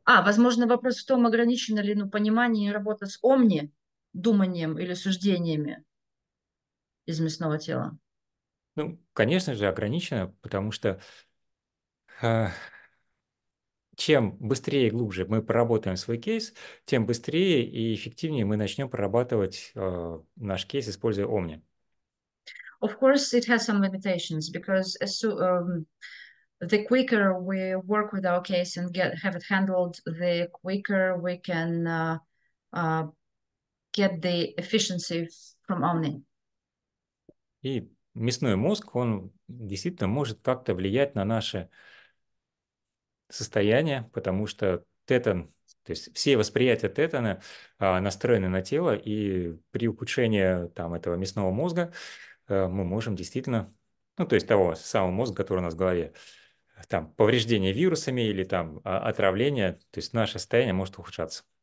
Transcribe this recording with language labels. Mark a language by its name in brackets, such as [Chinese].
[Russian] А, возможно, вопрос в том, ограничено ли ну, понимание и работа с Омни думанием или суждениями из мясного тела. Ну, конечно же, ограничено, потому что чем быстрее и глубже мы проработаем свой кейс, тем быстрее и эффективнее мы начнем прорабатывать наш кейс, используя Omni. [English] Of course, it has some limitations, because the quicker we work with our case and have it handled, the quicker we can get the efficiency from Omni. [Russian] И мясной мозг, он действительно может как-то влиять на наше состояние, потому что тетон, то есть все восприятия тетона настроены на тело, и при ухудшении там этого мясного мозга мы можем действительно, ну то есть того самого мозга, который у нас в голове, там повреждение вирусами или там отравление, то есть наше состояние может ухудшаться.